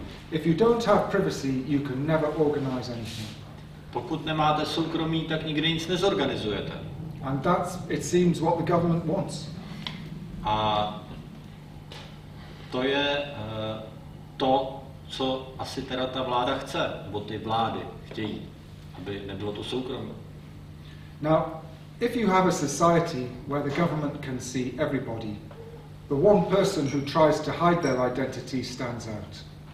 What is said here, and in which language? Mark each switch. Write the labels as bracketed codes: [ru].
[en] If you don't have privacy, you can never organize anything. [cs] Pokud nemáte soukromí, tak nikdy nic nezorganizujete. [en] And that's, it seems, what the government wants. [cs] A to je to, co asi teda ta vláda chce, nebo ty vlády chtějí, aby nebylo to soukromé. [en] Now, if you have a society where the government can see everybody, the one person who tries to hide their identity stands out.